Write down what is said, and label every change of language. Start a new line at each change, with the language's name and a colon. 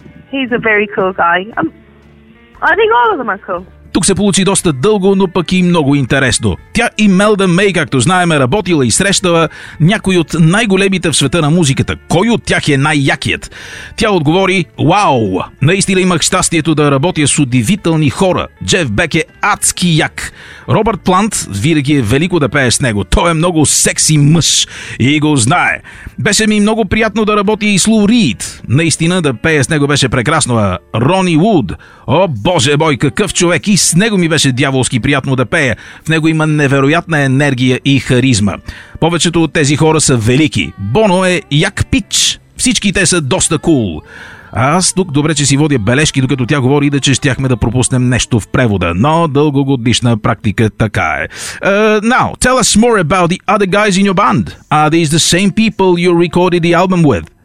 English: He's a very cool guy. I think all of them are cool.
Bulgarian: Тук се получи доста дълго, но пък и много интересно. Тя и Мелда Мей, както знаем, е работила и срещала някои от най-големите в света на музиката. Кой от тях е най-якият? Тя отговори: «Вау! Наистина имах щастието да работя с удивителни хора. Джеф Бек е адски як. Робърт Плант, винаги е велико да пее с него. Той е много секси мъж и го знае. Беше ми много приятно да работя и с Лу Рийд. Наистина да пее с него беше прекрасно. Рони Вуд. О, Боже мой, какъв човек! И с него ми беше дяволски приятно да пея. В него има невероятна енергия и харизма. Повечето от тези хора са велики. Боно е як пич. Всички те са доста кул. А аз тук добре, че си водя бележки, докато тя говори, да че щяхме да пропуснем нещо в превода. Но дългогодишна практика така е.
English: Now, tell us more about the other guys in your band. Are these the same people you recorded the album with?